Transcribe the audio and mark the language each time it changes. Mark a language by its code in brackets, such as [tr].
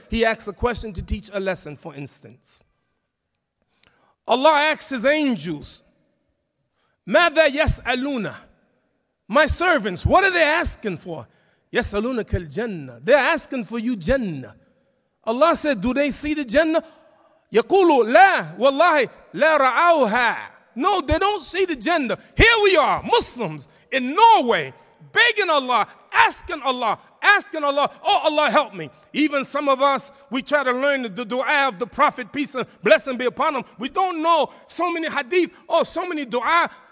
[en] He asks a question to teach a lesson, for instance. Allah asks his angels, [ar] ماذا يسألون? [en] My servants, what are they asking for? [ar] يسألون كالجنة. [en] They're asking for you جنة. Allah said, do they see the جنة? [ar] يقولوا لا والله لا رأوها. [en] No, they don't see the جنة. Here we are, Muslims in Norway, begging Allah, asking Allah, asking Allah, oh Allah, help me. Even some of us, we try to learn the dua of the Prophet, peace and blessing be upon him. We don't know so many hadith, oh, so many dua.